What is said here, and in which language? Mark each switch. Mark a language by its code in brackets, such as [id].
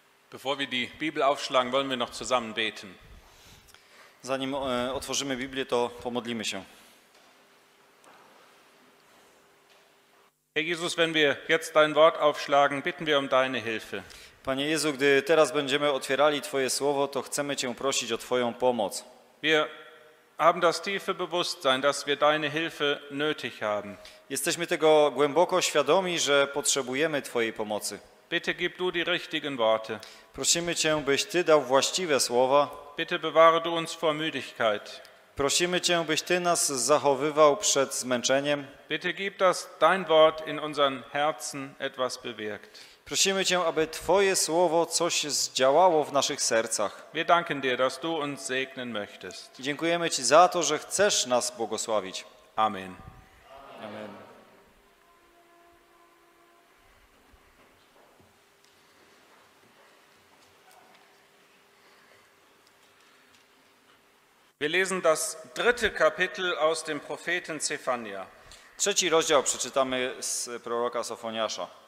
[de] Bevor wir die Bibel aufschlagen, wollen wir noch zusammen beten. [pl] Zanim otworzymy Biblię, to pomodlimy się. [de] Herr Jesus, wenn wir jetzt dein Wort aufschlagen, bitten wir um deine Hilfe. [pl] Panie Jezu, gdy teraz będziemy otwierali Twoje Słowo, to chcemy Cię prosić o Twoją pomoc. [de] Wir haben das tiefe Bewusstsein, dass wir deine Hilfe nötig haben. [pl] Jesteśmy tego głęboko świadomi, że potrzebujemy Twojej pomocy. [de] Bitte gib du die richtigen Worte. [pl] Prosimy Cię, byś Ty dał właściwe słowa. [de] Bitte bewahre du uns vor Müdigkeit. [pl] Prosimy Cię, byś Ty nas zachowywał przed zmęczeniem. [de] Bitte gib, dass dein Wort in unseren Herzen etwas bewirkt. [pl] Prosimy Cię, aby Twoje Słowo coś zdziałało w naszych sercach. [de] Wir danken dir, dass du uns segnen möchtest. [pl] Dziękujemy Ci za to, że chcesz nas błogosławić. [de] Amen. [pl] Amen. [de] Wir lesen das dritte Kapitel aus dem Propheten Zephania. [pl] Trzeci rozdział przeczytamy z proroka Sofoniasza.